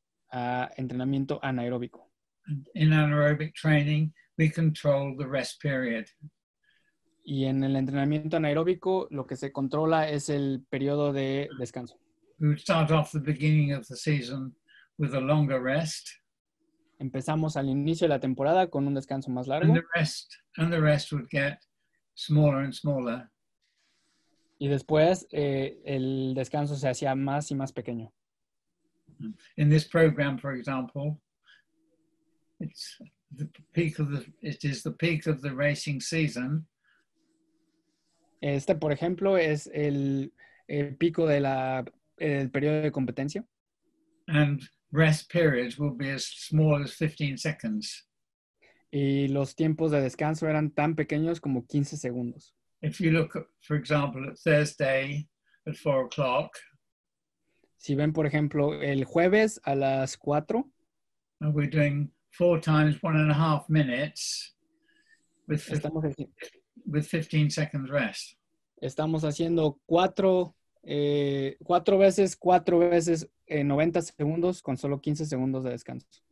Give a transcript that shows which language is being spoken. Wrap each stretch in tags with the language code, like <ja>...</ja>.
<es>a entrenamiento anaeróbico.</es> <en>In anaerobic training, we control the rest period.</en> <es>Y en el entrenamiento anaeróbico, lo que se controla es el periodo de descanso.</es> <en>We start off the beginning of the season with a longer rest.</en> <es>Empezamos al inicio de la temporada con un descanso más largo.</es> <en>And the rest would get smaller and smaller.</en> <es>Y después el descanso se hacía más y más pequeño.</es> <en>In this program, for example, it's the peak of the racing season.</en> <es>Este, por ejemplo, es el pico de el periodo de competencia.</es> <en>And rest periods will be as small as 15 seconds.</en> <es>Y los tiempos de descanso eran tan pequeños como 15 segundos.</es> <en>If you look, for example, at Thursday at 4 o'clock.</en> <es>Si ven, por ejemplo, el jueves a las 4.</es> <en>And we're doing 4 times 1.5 minutes with 15 seconds rest.</en> <es>Estamos haciendo 4 veces 90 segundos con solo 15 segundos de descanso.</es>